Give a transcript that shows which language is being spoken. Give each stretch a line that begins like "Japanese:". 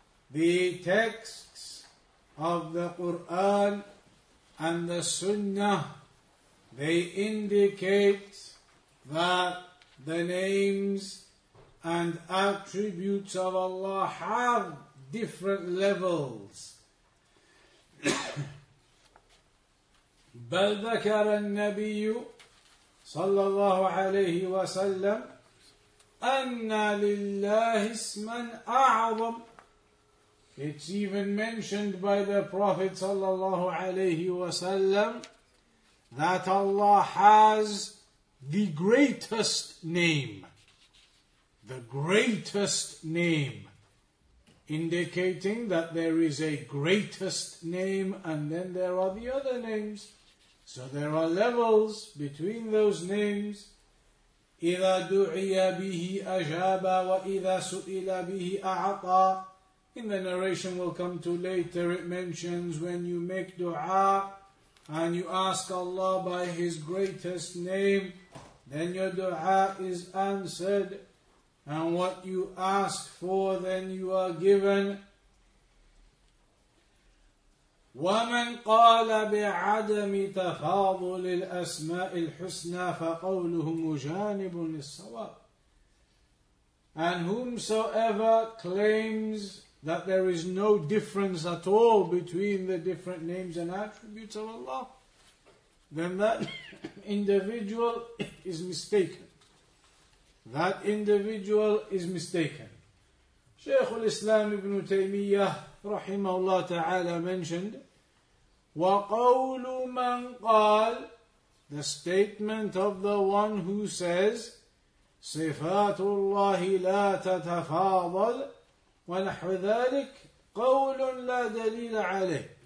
English: The texts of the Qur'an and the Sunnah, they indicate that the names and attributes of Allah have different levels.
Arabic: بل ذكر النبي صلى الله عليه وسلم أن لله اسما أعظم.
English: It's even mentioned by the Prophet
Arabic: صلى الله عليه وسلم
English: that Allah has the greatest name. The greatest name, indicating that there is a greatest name and then there are the other names. So there are levels between those names.
Arabic: إِذَا دُعِيَ بِهِ أَجَابَ وَإِذَا سُئِلَ بِهِ أَعَطَى.
English: In the narration we'll come to later, it mentions when you make dua and you ask Allah by His greatest name, then your dua is answered. And what you ask for, then you are given.
Arabic: ومن قال بعدم تفاضل الأسماء الحسنى فقوله مجانب للصواب.
English: And whomsoever claims that there is no difference at all between the different names and attributes of Allah, then that individual is mistaken. That individual is mistaken. Shaykh al-Islam ibn Taymiyyah rahimahullah ta'ala mentioned,
Arabic: وَقَوْلُ مَنْ قَالَ,
English: the statement of the one who says,
Arabic: صِفَاتُ اللَّهِ لَا تَتَفَاضَلْ وَنَحْوَ ذَلِكَ قَوْلٌ لَا دَلِيلَ عَلَيْهِ,